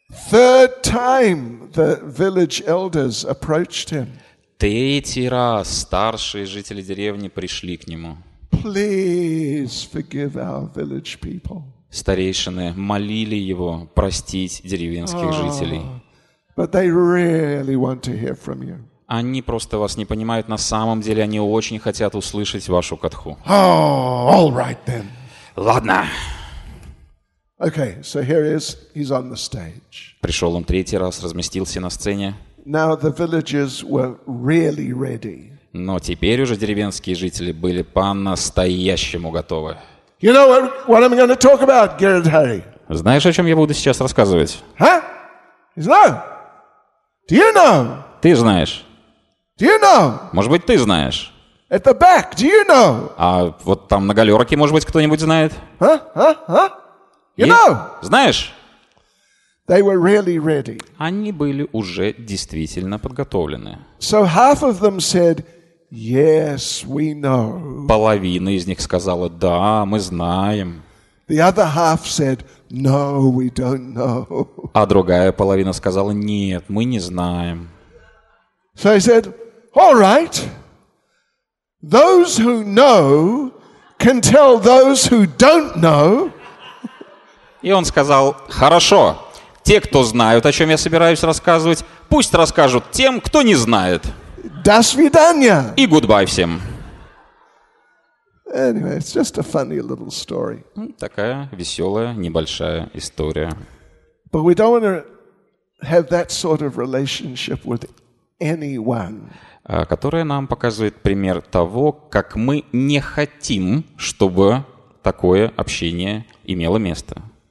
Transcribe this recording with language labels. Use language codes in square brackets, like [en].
[en] Third time the village elders approached him. [ru] Третий раз старшие жители деревни пришли к нему. [en] Please forgive our village people. [ru] старейшины молили его простить деревенских жителей. [en] But they really want to hear from you. [ru] Они просто вас не понимают. На самом деле они очень хотят услышать вашу катху. [en] Oh, all right then. [ru] Ладно. [en] Okay, so here is, he's on the stage. [ru] Пришел он третий раз, разместился на сцене. [en] Now the villagers were really ready. [ru] Но теперь уже деревенские жители были по-настоящему готовы. [en] You know what I'm going to talk about, Gerard Harry? [ru] Знаешь, о чем я буду сейчас рассказывать? [en] Huh? You know? Do you know? [ru] Ты знаешь? [en] Do you know? [ru] Может быть, ты знаешь? [en] At the back, do you know? [ru] А вот там на галерке, может быть, кто-нибудь знает? [en] You know? [ru] Знаешь? [en] They were really ready. [ru] Они были уже действительно подготовлены. [en] So half of them said, yes, we know. [ru] Половина из них сказала, да, мы знаем. [en] The other half said, no, we don't know. [ru] А другая половина сказала, нет, мы не знаем. [en] So I said, all right, those who know can tell those who don't know. [ru] И он сказал, хорошо, те, кто знают, о чем я собираюсь рассказывать, пусть расскажут тем, кто не знает. До свидания. И goodbye всем. [en] Anyway, it's just a funny little story. [ru] Такая веселая, небольшая история. [en] But we don't want to have that sort of relationship with anyone. [ru] Которая нам показывает пример того, как мы не хотим, чтобы такое общение имело место.